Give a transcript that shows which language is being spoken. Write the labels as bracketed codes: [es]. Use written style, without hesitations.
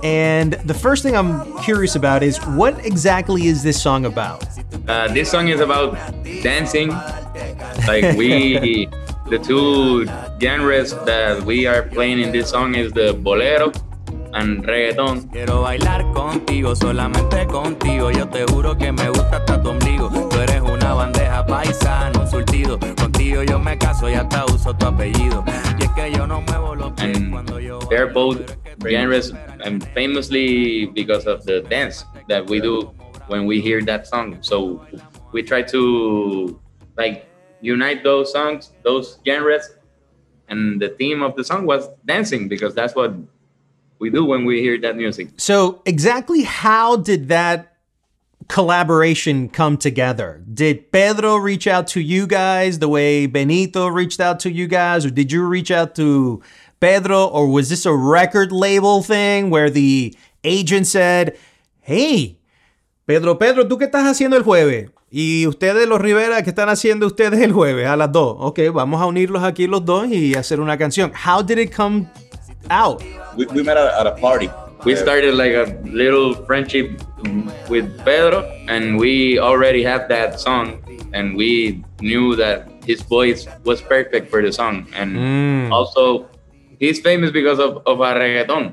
[en] And the first thing I'm curious about is, what exactly is this song about? This song is about dancing. Like, we, the two genres that we are playing in this song is the bolero and reggaeton. [es] Quiero bailar contigo, solamente contigo. Yo te juro que me gusta hasta tu ombligo. Tú eres una bandeja paisano, un surtido. Contigo yo me caso y hasta uso tu apellido. Y es que yo no muevo los pies cuando yo... [en] They're both genres, and famously because of the dance that we do when we hear that song. So we try to, like, unite those songs, those genres, and the theme of the song was dancing, because that's what we do when we hear that music. So exactly how did that collaboration come together? Did Pedro reach out to you guys the way Benito reached out to you guys? Or did you reach out to Pedro? Or was this a record label thing where the agent said, hey, Pedro, [es] ¿tú qué estás haciendo el jueves? Y ustedes, los Rivera, ¿qué están haciendo ustedes el jueves a las dos? Okay, vamos a unirlos aquí los dos y hacer una canción. [en] How did it come out? We met at a party. We started like a little friendship with Pedro, and we already had that song, and we knew that his voice was perfect for the song. And also, he's famous because of a reggaeton.